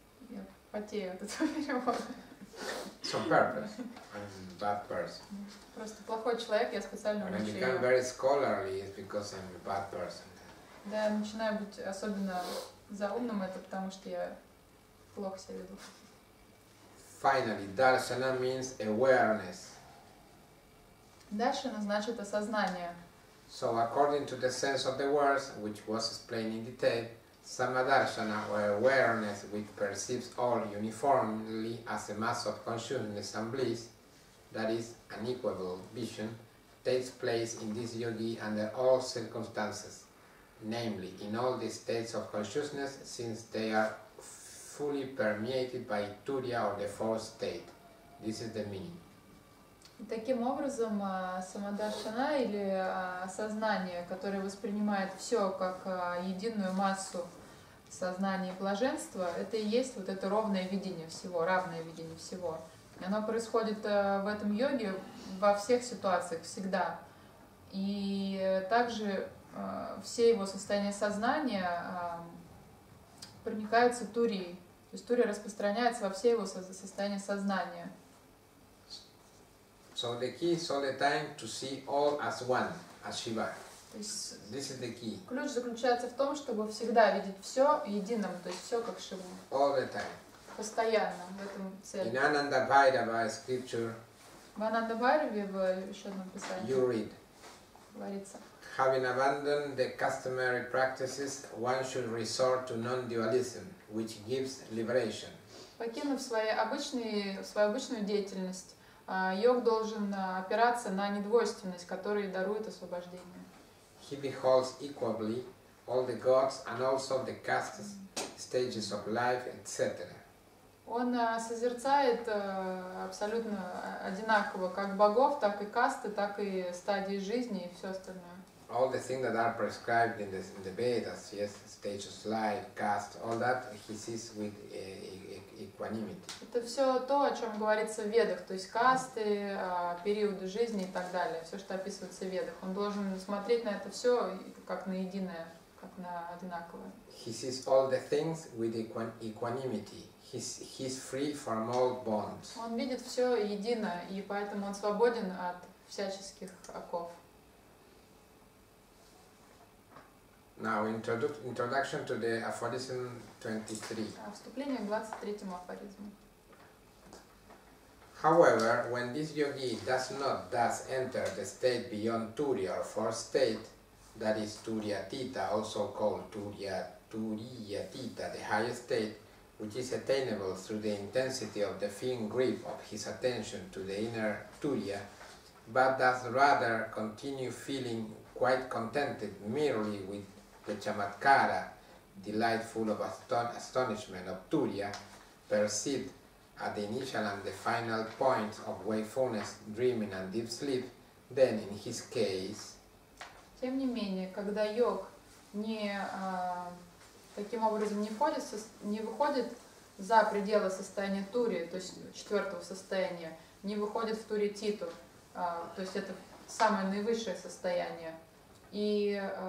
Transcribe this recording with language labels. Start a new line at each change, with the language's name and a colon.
Russian: Я потею от этого перевода.
English: It's on purpose. I'm a bad person.
Russian: Просто плохой человек, я специально учу.
English: When I become very scholarly, it's because I'm a bad person.
Russian: Да, я начинаю быть особенно заумным, это потому что я плохо себя веду.
English: Finally, darshana means awareness.
Russian: Darshana значит осознание.
English: So according to the sense of the words, which was explained in detail, Samadarshana, or awareness which perceives all uniformly as a mass of consciousness and bliss, that is, an equable vision, takes place in this yogi under all circumstances, namely, in all the states of consciousness, since they are fully permeated by Turiya, or the fourth state. This is the meaning.
Russian: Таким образом, самадаршана, или сознание, которое воспринимает все как единую массу сознания и блаженства, это и есть вот это ровное видение всего, равное видение всего. И оно происходит в этом йоге во всех ситуациях, всегда. И также все его состояния сознания проникаются турией, то есть турия распространяется во все его состояния сознания.
English: So the key is all the time to see all as one, as Shiva. This is the key.
Russian: Ключ заключается в том, чтобы всегда видеть все единым, то есть все как Шива.
English: All the time.
Russian: Постоянно в этом цели.
English: In Ananda Bhairava scripture.
Russian: В Ананда Бхайраве в еще одном писании.
English: You read.
Russian: Говорится.
English: Having abandoned the customary practices, one should resort to non-dualism, which gives liberation.
Russian: Покинув свою обычную деятельность. Йог должен опираться на недвойственность, которая дарует освобождение.
English: He beholds equally all the gods and also the castes, stages of life, etc.
Russian: Он созерцает абсолютно одинаково как богов, так и касты, так и стадии жизни и все остальное.
English: All the things that are prescribed in the Vedas, yes, stages of life, caste, all that he sees with equanimity.
Russian: Это все то, о чем говорится в Ведах, то есть касты, периоды жизни и так далее, все, что описывается в Ведах. Он должен смотреть на это все как на единое, как на одинаковое.
English: He sees all the things with equanimity. He's free from all bonds.
Russian: Он видит все едино, и поэтому он свободен от всяческих оков.
English: Now introduction to the aphorism 23.
Russian: Вступление к 23-му афоризму.
English: However, when this yogi does not thus enter the state beyond Turiya or fourth state, that is Turiya Tita, also called Turiya Tita, the highest state, which is attainable through the intensity of the firm grip of his attention to the inner Turiya, but does rather continue feeling quite contented merely with the chamatkara, delightful of astonishment of Turiya, perceived at the initial and the final points of wakefulness, dreaming and deep sleep, then in his case...
Russian: Тем не менее, когда йог не таким образом не выходит за пределы состояния Тури, то есть четвертого состояния, не выходит в Тури Титу, то есть это самое наивысшее состояние, и...